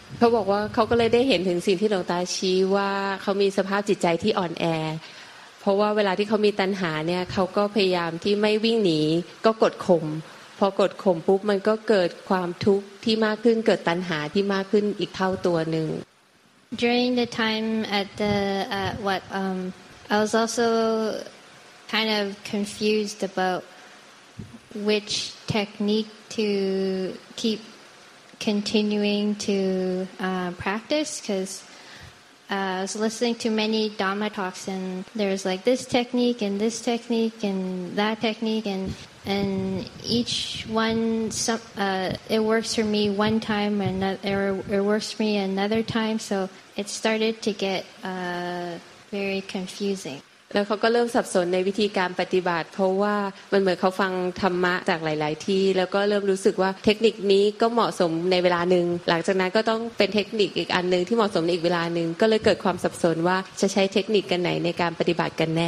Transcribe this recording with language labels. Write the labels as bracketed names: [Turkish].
[Thai] เขาบอกว่าเขาก็เลยได้เห็นถึงสิ่งที่หลวงตาชี้ว่าเขามีสภาพจิตใจที่อ่อนแอเพราะว่าเวลาที่เขามีตัณหาเนี่ยเขาก็พยายามที่ไม่วิ่งหนีก็กดข่มพอกดข่มปุ๊บมันก็เกิดความทุกข์ที่มากขึ้นเกิดตัณหาที่มากขึ้นอีกเท่าตัวนึง [English] During the time at the what I was also kind of confused about which technique to keep continuing to practice becauseI was listening to many Dhamma talks, and there's like this technique, and that technique, and each one, it works for me one time, and it works for me another time. So it started to get very confusing. [Thai] แล้วเขาก็เริ่มสับสนในวิธีการปฏิบัติเพราะว่ามันเหมือนเขาฟังธรรมะจากหลายๆที่แล้วก็เริ่มรู้สึกว่าเทคนิคนี้ก็เหมาะสมในเวลานึงหลังจากนั้นก็ต้องเป็นเทคนิคอีกอันนึงที่เหมาะสมในอีกเวลานึงก็เลยเกิดความสับสนว่าจะใช้เทคนิคกันไหนในการปฏิบัติกันแน